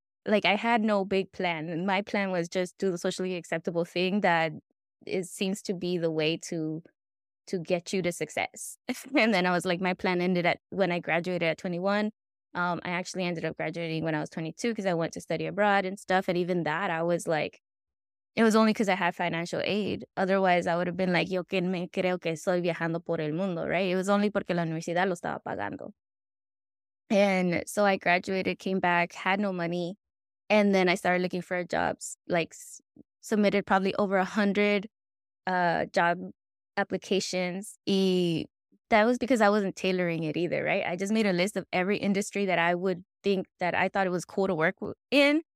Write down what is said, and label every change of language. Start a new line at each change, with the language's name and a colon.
English: Like, I had no big plan. My plan was just do the socially acceptable thing that it seems to be the way to get you to success. And then I was like, my plan ended at when I graduated at 21. I actually ended up graduating when I was 22 because I went to study abroad and stuff. And even that, I was like, it was only because I had financial aid. Otherwise, I would have been like,
Spanish: yo que me creo que estoy viajando por el mundo, right?
English: It was only
Spanish: porque la universidad lo estaba pagando.
English: And so I graduated, came back, had no money. And then I started looking for jobs, like submitted probably over 100 job applications. Y that was because I wasn't tailoring it either, right? I just made a list of every industry that I would think that I thought it was cool to work in.